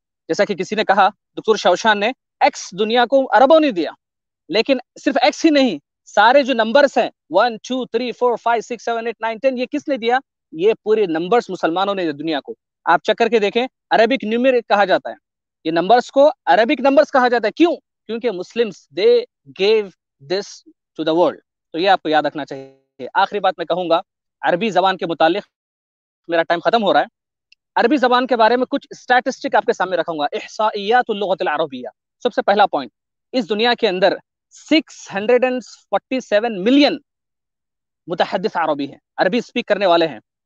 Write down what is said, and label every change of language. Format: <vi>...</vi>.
<ur>جیسا کہ کسی نے کہا دکتور شوشان نے, ایکس دنیا کو عربوں نے دیا, لیکن صرف ایکس ہی نہیں, سارے جو نمبرز ہیں 1, 2, 3, 4, 5, 6, 7, 8, 9, 10, یہ کس نے دیا, یہ پورے نمبرز مسلمانوں نے دیا دنیا کو. آپ چیک کر کے دیکھیں, عربک نیومیرک کہا جاتا ہے, یہ نمبرز کو عربک نمبرز کہا جاتا ہے. کیوں؟ کیونکہ</ur> <en>Muslims they gave this to the world.</en> <ur>تو یہ آپ کو یاد رکھنا چاہیے. آخری بات میں کہوں گا عربی زبان کے متعلق, میرا ٹائم ختم ہو رہا ہے, عربی زبان کے بارے میں کچھ اسٹیٹسٹک آپ کے سامنے رکھوں گا,</ur> <ar>احصائیات اللغۃ العربیہ.</ar> <ur>سب سے پہلا پوائنٹ, اس دنیا کے اندر 647 ملین متحدث عربی ہیں, عربی اسپیک کرنے والے ہیں.</ur>